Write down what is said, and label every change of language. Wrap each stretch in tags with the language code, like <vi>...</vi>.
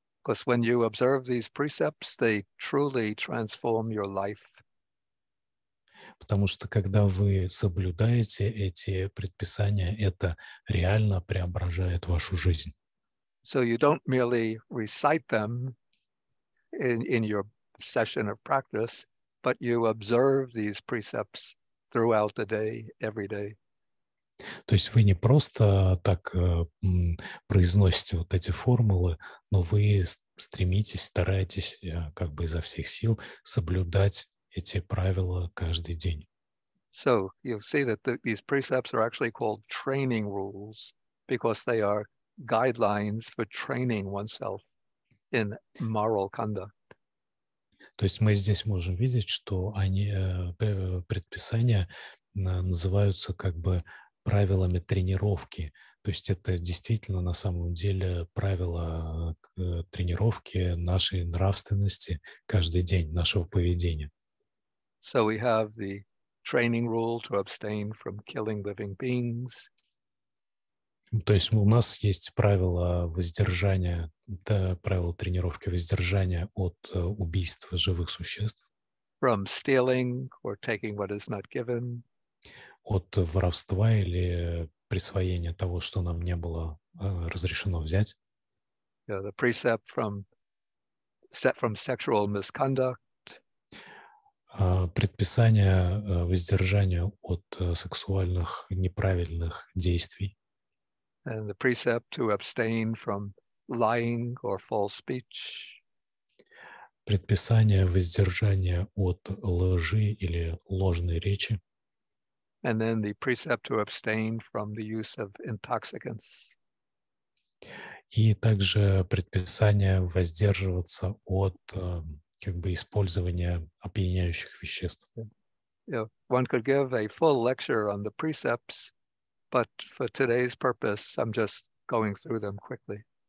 <en>Because when you observe these precepts, they truly transform your life.</en> <ru>Потому что, когда вы соблюдаете эти предписания, это реально преображает вашу жизнь.</ru> <en>So you don't merely recite them in your session of practice, but you observe these precepts throughout the day, every day.</en> <ru>То есть вы не просто так произносите вот эти формулы, но вы стремитесь, стараетесь как бы изо всех сил соблюдать эти правила каждый день.</ru> <en>So you'll see that these precepts are actually called training rules because they are guidelines for training oneself. in moral conduct.</en> <ru>То есть мы здесь можем видеть, что они предписания называются как бы правилами тренировки. То есть это действительно на самом деле правила тренировки нашей нравственности каждый день, нашего поведения.</ru> <en>So we have the training rule to abstain from killing living beings.</en> <ru>То есть у нас есть правило воздержания, да, правило тренировки воздержания от убийства живых существ.</ru> <en>From stealing or taking what is not given.</en> <ru>От воровства или присвоения того, что нам не было разрешено взять.</ru> <en>Yeah, the precept from sexual misconduct.</en> <ru>Предписание воздержания от сексуальных неправильных действий.</ru> <en>And the precept to abstain from lying or false speech.</en> <ru>Предписание воздержания от лжи или ложной речи.</ru> <en>And then the precept to abstain from the use of intoxicants.</en> <ru>И также предписание воздерживаться от как бы использования опьяняющих веществ.</ru> <en>Yeah. One could give a full lecture on the precepts. But for today's purpose, I'm just going through them quickly.</en>